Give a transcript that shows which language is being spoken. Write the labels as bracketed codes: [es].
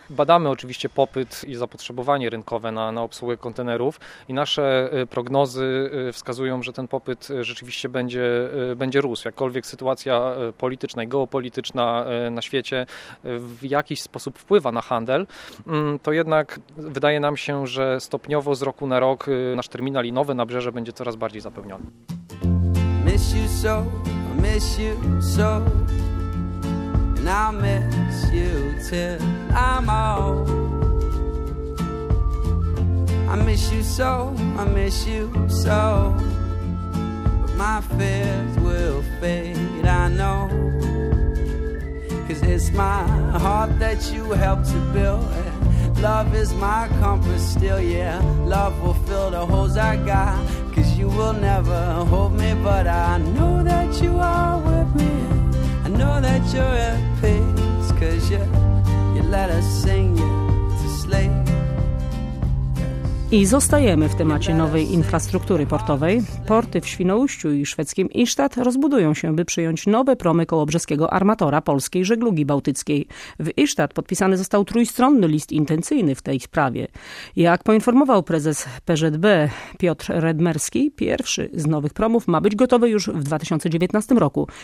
[pl] Badamy oczywiście popyt i zapotrzebowanie rynkowe na obsługę kontenerów i nasze prognozy wskazują, że ten popyt rzeczywiście będzie rósł. Jakkolwiek sytuacja polityczna i geopolityczna na świecie w jakiś sposób wpływa na handel, to jednak wydaje nam się, że stopniowo z roku na rok nasz terminal i nowe nabrzeże będzie coraz bardziej zapełniony. [en] Miss you so. I miss you so, and I'll miss you till I'm old. I miss you so, I miss you so, but my fears will fade, I know. 'Cause it's my heart that you helped to build, and love is my comfort still, yeah. Love will fill the holes I got. You will never hold me, but I know that you are with me. I know that you're at peace, 'cause you let us sing you to sleep. [pl] I zostajemy w temacie nowej infrastruktury portowej. Porty w Świnoujściu i szwedzkim Isztat rozbudują się, by przyjąć nowe promy kołobrzeskiego armatora polskiej żeglugi bałtyckiej. W Isztat podpisany został trójstronny list intencyjny w tej sprawie. Jak poinformował prezes PŻB Piotr Redmerski, pierwszy z nowych promów ma być gotowy już w 2019 roku.